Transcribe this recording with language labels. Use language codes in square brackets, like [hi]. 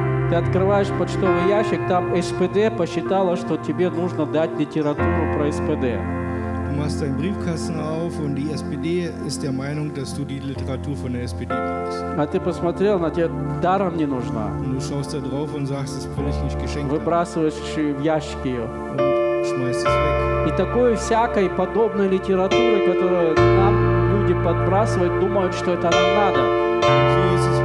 [ru] Ты открываешь почтовый ящик, там СПД посчитала, что тебе нужно дать литературу про СПД. [de] Du machst deinen Briefkasten auf und die SPD ist der Meinung, dass du die Literatur von der SPD brauchst. [ru] А ты посмотрел, на тебе даром не нужна. [de] Und du schaust da drauf und sagst, es völlig nicht geschenkt. [ru] Выбрасываешь в ящики ее. [de] Und schmeißt es weg. [ru] И такой всякой подобной литературы, которую нам люди подбрасывают, думают, что это нам надо.